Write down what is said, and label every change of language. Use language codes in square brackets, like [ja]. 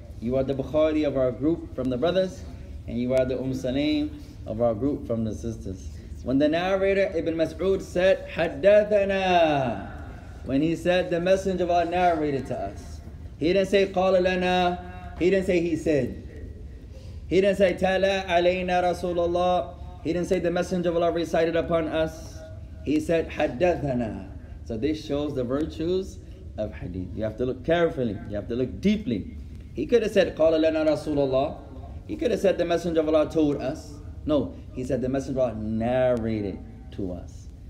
[en] You are the Bukhari of our group from the brothers, and you are the Salim of our group from the sisters. When the narrator Ibn Mas'ud said, [ar] حَدَّثَنَا, [en] when he said, the messenger of Allah narrated to us. He didn't say, [ar] قَالَ لَنَا. [en] He didn't say, he said. He didn't say, [ar] تَلَى عَلَيْنَا رَسُولَ اللَّهِ. [en] He didn't say, the messenger of Allah recited upon us. He said, [ar] حَدَّثَنَا. [en] So this shows the virtues of hadith. You have to look carefully. You have to look deeply. He could have said, [ar] قَالَ لَنَا رَسُولَ اللَّهِ. [en] He could have said, the messenger of Allah told us. No, he said the messenger of Allah narrated to us.